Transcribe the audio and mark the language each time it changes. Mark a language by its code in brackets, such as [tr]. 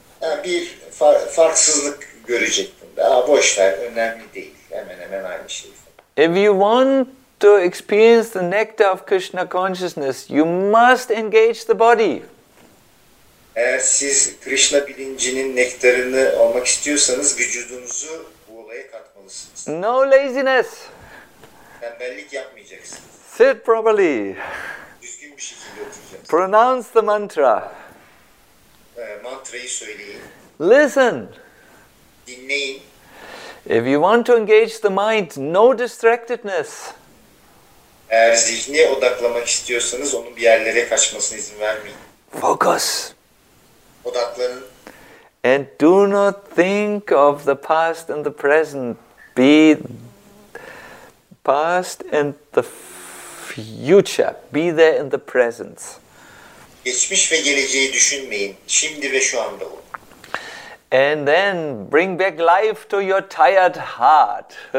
[tr] Yani bir farksızlık görecek bunda. Aa, boş ver, önemli değil. Hemen hemen aynı şey. [en] If you want to experience the nectar of Krishna consciousness, you must engage the body. [tr] Eğer siz Krishna bilincinin nektarını almak istiyorsanız vücudunuzu bu olaya katmalısınız. [en] No laziness. [tr] Tembellik yapmayacaksınız. [en] Sit properly. [tr] Düzgün bir şekilde oturacaksınız. [en] Pronounce the mantra. [tr] Mantrayı söyleyin. [en] Listen. [tr] Dinleyin. [en] If you want to engage the mind, no distractedness. [tr] Eğer zihni odaklamak istiyorsanız onun bir yerlere kaçmasına izin vermeyin. [en] Focus. [tr] Odaklanın. [en] And do not think of the past and the present. Be past and the future. Be there in the present. [tr] Geçmiş ve geleceği düşünmeyin. Şimdi ve şu anda olun. [en] And then bring back life to your tired heart.